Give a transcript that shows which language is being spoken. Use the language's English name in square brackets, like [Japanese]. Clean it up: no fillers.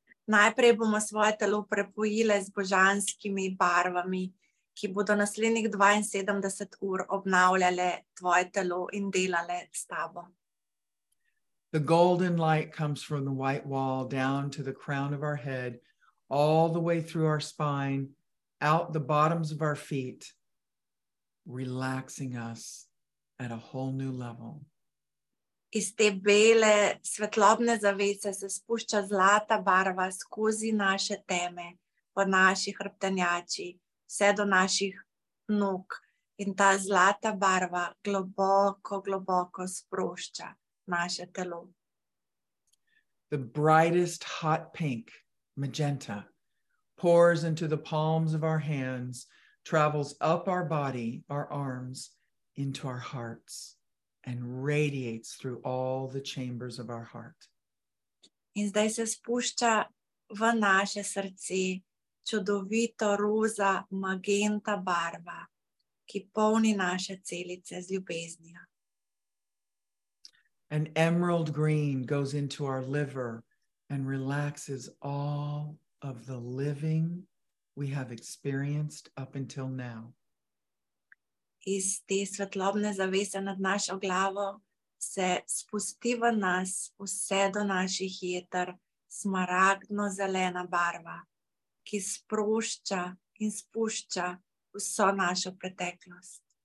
[Slovenian] Najprej bomo svoje telo prepojile z božanskimi barvami, ki bodo naslednjih 72 ur obnavljale tvoje telo in delale s tabo. [English] The golden light comes from the white wall down to the crown of our head, all the way through our spine, out the bottoms of our feet, relaxing us at a whole new level. [Slovenian] Iz te bele svetlobne zavese se spušča zlata barva skozi naše teme, po naši hrbtenjači, vse do naših nog. In ta zlata barva globoko, globoko sprošča naše telo. [English] The brightest hot pink, magenta, pours into the palms of our hands, travels up our body, our arms, into our hearts, and radiates through all the chambers of our heart. [Slovenian] In zdaj se spušča v naše srce čudovito roza magenta barva, ki polni naše celice z ljubeznijo. [English] An emerald green goes into our liver and relaxes all of the living we have experienced up until now. [Slovenian] Iz te svetlobne zavese nad našo glavo se spusti v nas vse do naših jeter smaragdno zelena barva, ki sprošča in spušča vso našo preteklost.